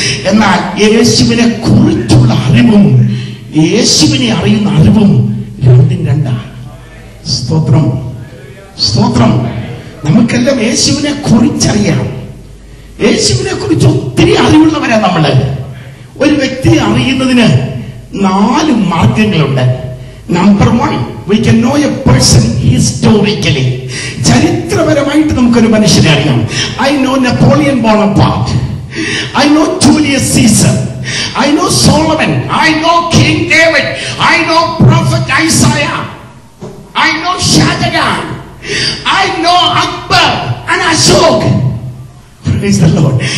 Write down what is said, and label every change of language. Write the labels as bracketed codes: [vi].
[ml] എന്നാൽ യേശുവിനെ കുറിച്ചുള്ള അറിവും യേശുവിനെ അറിയുന്ന അറിവും രണ്ടും രണ്ടാണ്. സ്തോത്രം സ്തോത്രം. നമുക്കെല്ലാം യേശുവിനെ കുറിച്ചറിയാം. യേശുവിനെ കുറിച്ച് ഒത്തിരി അറിവുള്ളവരാ നമ്മള്. ഒരു വ്യക്തിയെ അറിയുന്നതിന് 4 മാർഗങ്ങളുണ്ട്. [en] Number 1, we can know a person historically. [ml] ചരിത്രപരമായിട്ട് നമുക്കൊരു മനുഷ്യനെ അറിയാം. [en] I know Napoleon Bonaparte. I know Julius Caesar. I know Solomon. I know King David. I know Prophet Isaiah. I know Shahjahan. I know Akbar and Ashok. Praise the Lord.